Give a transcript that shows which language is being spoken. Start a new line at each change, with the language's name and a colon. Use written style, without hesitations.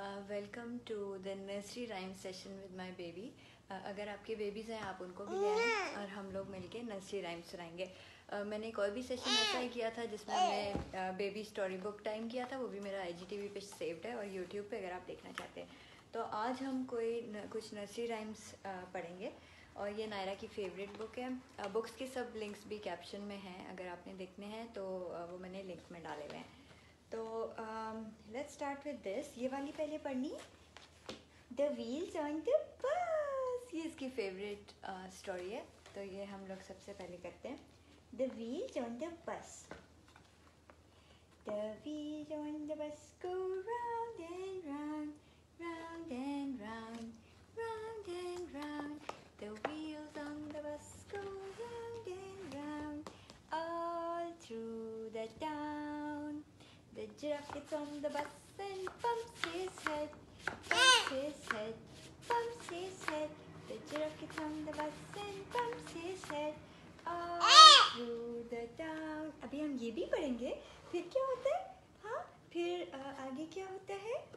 English: Welcome to the nursery rhyme session with my baby.
Hindi: अगर आपके babies हैं आप उनको भी ले आएं और हम लोग मिलके nursery rhyme सुनाएंगे. मैंने एक और भी session ऐसा ही किया था जिसमें मैं baby story book time किया था, वो भी मेरा IGTV पे saved है और YouTube पे अगर आप देखना चाहते हैं. तो आज हम कुछ nursery rhymes पढ़ेंगे और ये नायरा की favorite book है. Books के सब links भी caption में हैं, अगर आपने देखने हैं तो वो मैंने link में डाले हुए हैं.
English: तो let's start with this. ये वाली पहले पढ़नी, the wheels on the bus.
Hindi: ये इसकी फेवरेट स्टोरी है, तो ये हम लोग सबसे पहले करते हैं.
English: The wheels on the bus. The wheels on the bus go round and round, round and round, round and round. The wheels on the bus go round and round all through the town. The giraffe gets on the bus and bumps his head, bumps his head, bumps his head. The giraffe gets on the bus and bumps his head all through the town.
Hindi: अभी हम ये भी पढ़ेंगे. फिर क्या होता है? हाँ, फिर आगे क्या होता है?